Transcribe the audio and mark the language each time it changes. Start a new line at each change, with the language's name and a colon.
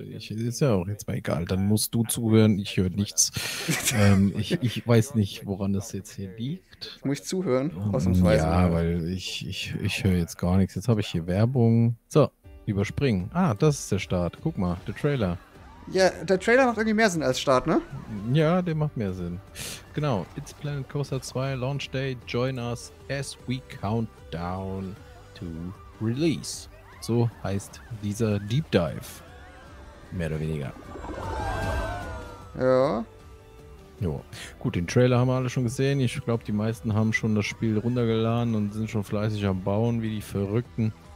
German: Ist ja auch jetzt mal egal, dann musst du zuhören, ich höre nichts. Ich weiß nicht, woran das jetzt hier liegt. Muss ich zuhören, ausnahmsweise? Ja, weil ich höre jetzt gar nichts. Jetzt habe ich hier Werbung. So, überspringen. Ah, das ist der Start. Guck mal, der Trailer. Ja, der Trailer macht irgendwie mehr Sinn als Start, ne? Ja, der macht mehr Sinn.
English: Genau, It's Planet Coaster 2, Launch Day, join us as we count down. To release.
German: So heißt dieser Deep Dive. Mehr oder weniger. Ja. Jo. Gut, den Trailer haben wir alle schon gesehen. Ich glaube, die meisten haben schon das Spiel runtergeladen und sind schon fleißig am Bauen, wie die Verrückten.